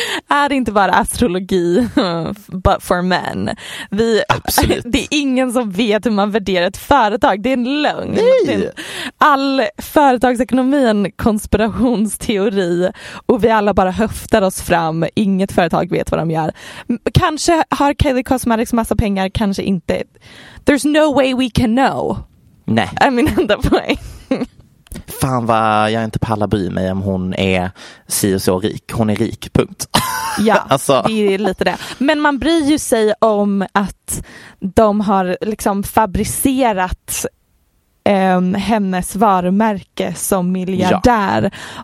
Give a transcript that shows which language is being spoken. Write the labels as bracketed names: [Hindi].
[Swedish] Är det inte bara astrologi, [English] but for men? [Swedish] Vi, absolut. Det är ingen som vet hur man värderar ett företag. Det är en lögn. Nej. All företagsekonomi är en konspirationsteori. Och vi alla bara höftar oss fram. Inget företag vet vad de gör. Kanske har Kylie Cosmetics massa pengar, kanske inte. [English] There's no way we can know. [Swedish] Nej. Är min enda poäng. Fan vad jag inte pallar bry mig om hon är si och så rik. Hon är rik, punkt. Ja, alltså. Det är lite det. Men man bryr ju sig om att de har liksom fabricerat hennes varumärke som miljardär. Ja.